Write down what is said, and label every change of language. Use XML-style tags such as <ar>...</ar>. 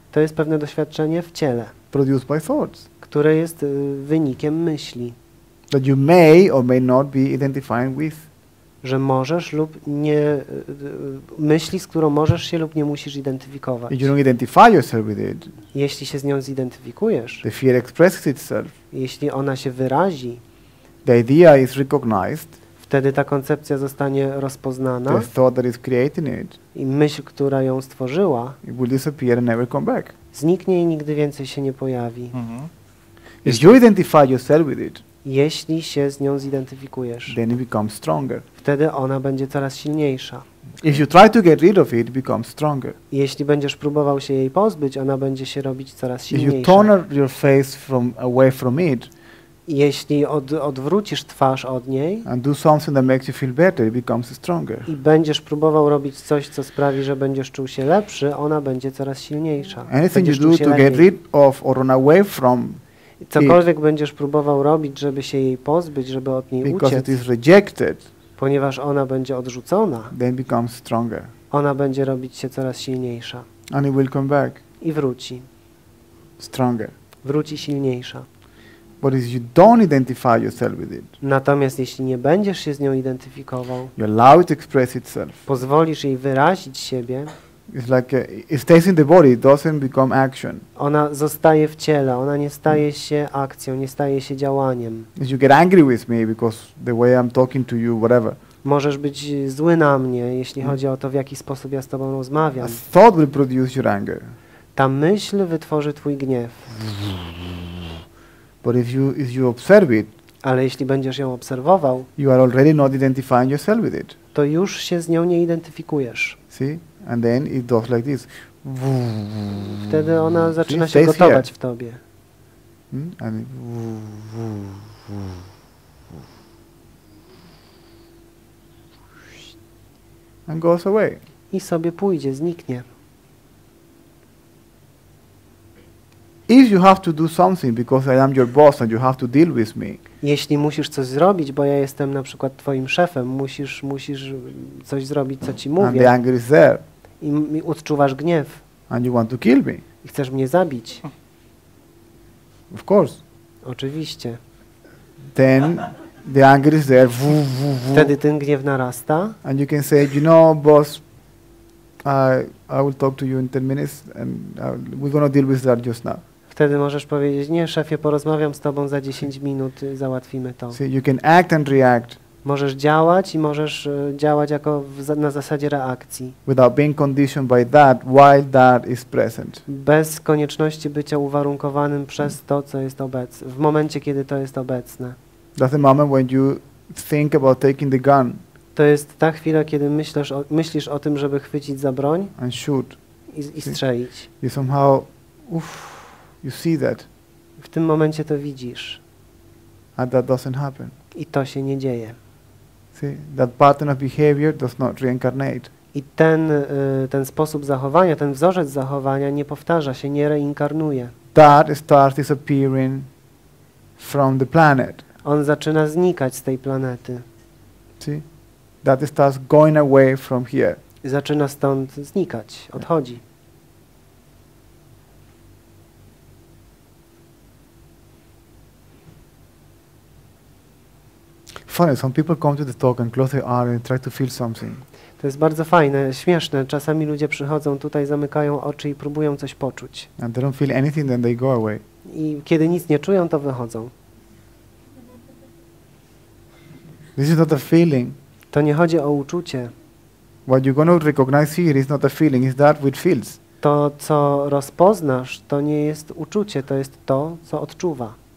<pl>To jest pewne doświadczenie w ciele.</pl> <en>Produced by thoughts.</en> <pl>Które jest wynikiem myśli.</pl> <en>That you may or may not be identifying with.</en> <pl>Że możesz lub nie, myśli, z którą możesz się lub nie musisz identyfikować.</pl> <en>If you don't identify yourself with it,</en> <pl>jeśli się z nią zidentyfikujesz,</pl> <en>the fear expresses itself,</en> <pl>jeśli ona się wyrazi,</pl> <en>the idea is recognized,</en> <pl>wtedy ta koncepcja zostanie rozpoznana,</pl> <en>the thought that is creating it,</en> <pl>i myśl, która ją stworzyła,</pl> <en>it will disappear and never come back.</en> <pl>Zniknie i nigdy więcej się nie pojawi. Mm-hmm.</pl> <en>If you identify yourself with it,</en> <pl>jeśli się z nią zidentyfikujesz,</pl> <en>then it becomes stronger.</en> <pl>Wtedy ona będzie coraz silniejsza.</pl> <en>If you try to get rid of it, it becomes stronger.</en> <pl>Jeśli będziesz próbował się jej pozbyć, ona będzie się robić coraz silniejsza.</pl> <en>If you turn your face from away from it,</en> <pl>jeśli odwrócisz twarz od niej,</pl> <en>and do something that makes you feel better, it becomes stronger.</en> <pl>I będziesz próbował robić coś, co sprawi, że będziesz czuł się lepszy, ona będzie coraz silniejsza.</pl> <en>Anything you do to get rid of or run away from,</en> <pl>cokolwiek będziesz próbował robić, żeby się jej pozbyć, żeby od niej uciec,</pl> <en>it is rejected,</en> <pl>ponieważ ona będzie odrzucona,</pl> <en>then becomes stronger.</en> <pl>Ona będzie robić się coraz silniejsza.</pl> <en>And it will come back.</en> <pl>I wróci.</pl> <en>stronger.</en> <pl>Wróci silniejsza.</pl> <en>But if you don't identify yourself with it,</en> <pl>natomiast jeśli nie będziesz się z nią identyfikował,</pl> <en>you allow it to express itself.</en> <pl>Pozwolisz jej wyrazić siebie.</pl> <en>It's like it stays in the body, it doesn't become action.</en> <pl>Ona zostaje w ciele, ona nie staje się akcją, nie staje się działaniem.</pl> <en>If you get angry with me because the way I'm talking to you, whatever.</en> <pl>Możesz być zły na mnie, jeśli chodzi o to, w jaki sposób ja z tobą rozmawiam.</pl> <en>A thought will produce your anger.</en> <pl>Ta myśl wytworzy twój gniew.</pl> <en>But if you observe it,</en> <pl>ale jeśli będziesz ją obserwował,</pl> <en>you are already not identifying yourself with it.</en> <pl>To już się z nią nie identyfikujesz.</pl> <en>See? And then it does like this.</en> <pl>Wtedy ona zaczyna się gotować</pl> <en>here.</en> <pl>W tobie.</pl> <en>And goes away.</en> <pl>I sobie pójdzie, zniknie.</pl> <en>If you have to do something because I am your boss and you have to deal with me.</en> <pl>Jeśli musisz coś zrobić, bo ja jestem na przykład twoim szefem, musisz coś zrobić, co ci mówię.</pl> <en>And the anger is there.</en> <pl>I odczuwasz gniew.</pl> <en>And you want to kill me.</en> <pl>I chcesz mnie zabić.</pl> <en>Of course.</en> <pl>Oczywiście.</pl> <en>Then the anger is there.</en> <pl>Wtedy ten gniew narasta.</pl> <en>And you can say, you know, boss, I will talk to you in 10 minutes and we're going to deal with that just now.</en> <pl>Wtedy możesz powiedzieć, nie, szefie, porozmawiam z tobą za 10 minut, załatwimy to.</pl> <en>See, you can act and react.</en> <pl>Możesz działać i możesz działać jako na zasadzie reakcji.</pl> <en>Without being conditioned by that, while that is present.</en> <pl>Bez konieczności bycia uwarunkowanym przez to, co jest obecne, w momencie, kiedy to jest obecne.</pl> <en>That's the moment when you think about taking the gun.</en> <pl>To jest ta chwila, kiedy myślisz o tym, żeby chwycić za broń</pl> <en>and shoot.</en> <pl>I strzelić.</pl> <en>You somehow, you see that.</en> <pl>W tym momencie to widzisz.</pl> <en>And that doesn't happen.</en> <pl>I to się nie dzieje.</pl> <en>See, that pattern of behavior does not reincarnate.</en> <pl>I ten sposób zachowania, ten wzorzec zachowania nie powtarza się, nie reinkarnuje.</pl> <en>That starts disappearing from the planet.</en> <pl>On zaczyna znikać z tej planety.</pl> <en>See? That starts going away from here.</en> <pl>Zaczyna stąd znikać, odchodzi.</pl> <en>Some people come to the talk and close their eyes and try to feel something.</en> <pl>To jest bardzo fajne, śmieszne. Czasami ludzie przychodzą tutaj, zamykają oczy i próbują coś poczuć.</pl> <en>And they don't feel anything, then they go away.</en> <pl>I kiedy nic nie czują, to wychodzą.</pl> <en>This is not a feeling.</en> <pl>To nie chodzi o uczucie.</pl> <en>What you're going to recognize here is not a feeling, it's that which feels.</en> <pl>To, co rozpoznasz, to nie jest uczucie, to jest to, co odczuwa.</pl>